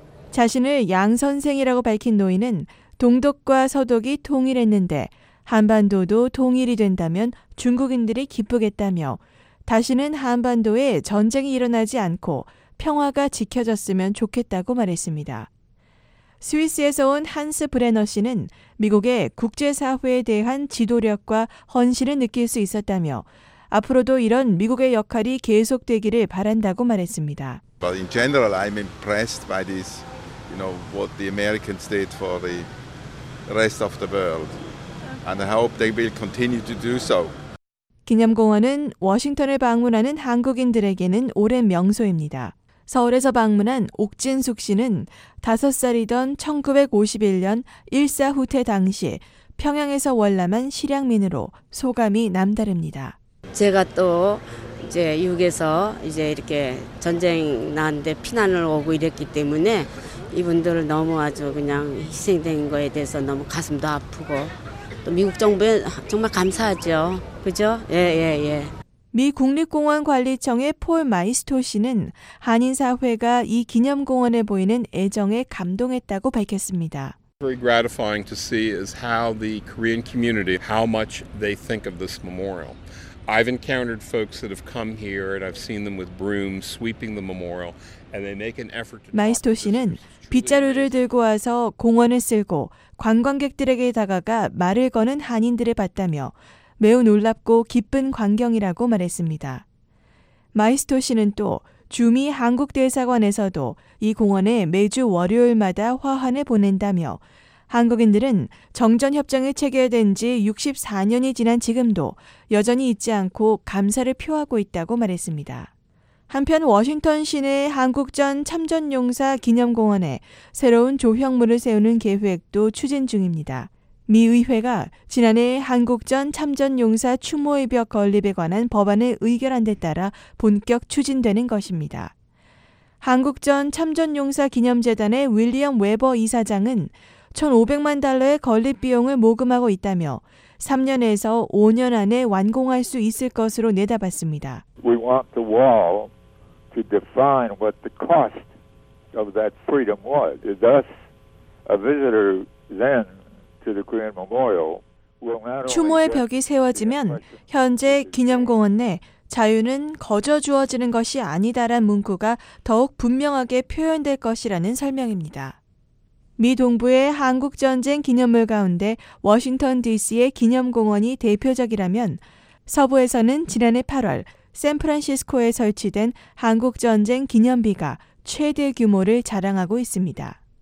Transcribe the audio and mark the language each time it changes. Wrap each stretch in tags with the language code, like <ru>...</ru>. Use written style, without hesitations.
<ko>자신을 양선생이라고 밝힌 노인은 동독과 서독이 통일했는데 한반도도 통일이 된다면 중국인들이 기쁘겠다며 다시는 한반도에 전쟁이 일어나지 않고 평화가 지켜졌으면 좋겠다고 말했습니다. 스위스에서 온 한스 브레너 씨는 미국의 국제사회에 대한 지도력과 헌신을 느낄 수 있었다며 앞으로도 이런 미국의 역할이 계속되기를 바란다고 말했습니다.</ko> <en>But in general, I'm impressed by this, you know, what the Americans did for the rest of the world. And I hope they will continue to do so.</en> <ko>기념공원은 워싱턴을 방문하는 한국인들에게는 오랜 명소입니다. 서울에서 방문한 옥진숙 씨는 5살이던 1951년 일사 후퇴 당시 평양에서 월남한 실향민으로 소감이 남다릅니다. 제가 또 이제 6에서 이제 이렇게 전쟁 나는데 피난을 오고 이랬기 때문에 이분들을 너무 아주 그냥 희생된 거에 대해서 너무 가슴도 아프고 또 미국 정부에 정말 감사하죠. 그죠? 예. 미 국립공원관리청의 폴 마이스토 씨는 한인사회가 이 기념공원에 보이는 애정에 감동했다고 밝혔습니다.</ko> <en>Very gratifying to see is how the Korean community, how much they think of this memorial. I've encountered folks that have come here and I've seen them with brooms sweeping the memorial and they make an effort to</en> <ko>마이스토 씨는 빗자루를 들고 와서 공원을 쓸고 관광객들에게 다가가 말을 거는 한인들을 봤다며 매우 놀랍고 기쁜 광경이라고 말했습니다. 마이스토 씨는 또 주미 한국대사관에서도 이 공원에 매주 월요일마다 화환을 보낸다며 한국인들은 정전협정이 체결된 지 64년이 지난 지금도 여전히 잊지 않고 감사를 표하고 있다고 말했습니다. 한편 워싱턴 시내 한국전 참전용사 기념공원에 새로운 조형물을 세우는 계획도 추진 중입니다. 미 의회가 지난해 한국전 참전용사 추모의 벽 건립에 관한 법안을 의결한 데 따라 본격 추진되는 것입니다. 한국전 참전용사 기념재단의 윌리엄 웨버 이사장은 1,500만 달러의 건립 비용을 모금하고 있다며 3년에서 5년 안에 완공할 수 있을 것으로 내다봤습니다.</ko> <en>We want the wall to define what the cost of that freedom was. Thus, a visitor then to the Korean Memorial will not only</en> <ko>추모의 벽이 세워지면 현재 기념공원 내 자유는 거저 주어지는 것이 아니다란 문구가 더욱 분명하게 표현될 것이라는 설명입니다. 미 동부의 한국전쟁 기념물 가운데 워싱턴 DC의 기념공원이 대표적이라면 서부에서는 지난해 8월 샌프란시스코에 설치된 한국전쟁 기념비가 최대 규모를 자랑하고 있습니다.</ko>